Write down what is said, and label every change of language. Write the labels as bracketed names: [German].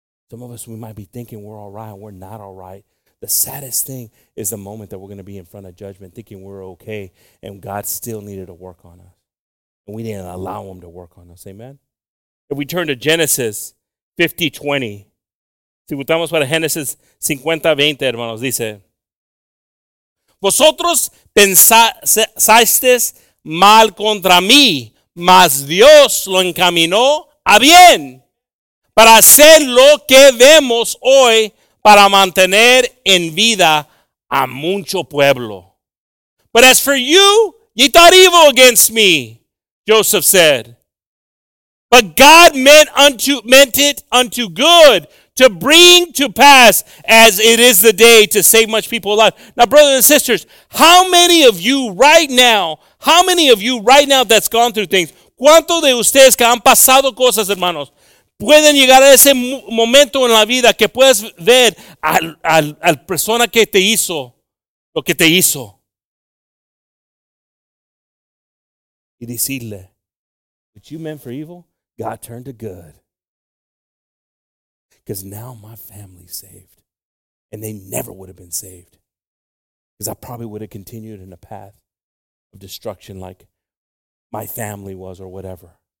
[English] Some of us, we might be thinking we're all right. We're not all right. The saddest thing is the moment that we're going to be in front of judgment thinking we're okay and God still needed to work on us. And we didn't allow him to work on us. Amen? If we turn to Genesis 50:20, [Spanish] si votamos para Génesis 50:20, hermanos, dice, vosotros pensasteis mal contra mí, mas Dios lo encaminó a bien para hacer lo que vemos hoy para mantener en vida a mucho pueblo. [English] But as for you, ye thought evil against me, Joseph said. But God meant it unto good to bring to pass as it is the day to save much people alive. Now, brothers and sisters, how many of you right now that's gone through things? [Spanish] ¿Cuántos de ustedes que han pasado cosas, hermanos? Pueden llegar a ese momento en la vida que puedes ver al persona que te hizo lo que te hizo. Y decirle, [English] what you meant for evil, God turned to good. Because now my family's saved. And they never would have been saved. Because I probably would have continued in a path of destruction like my family was or whatever.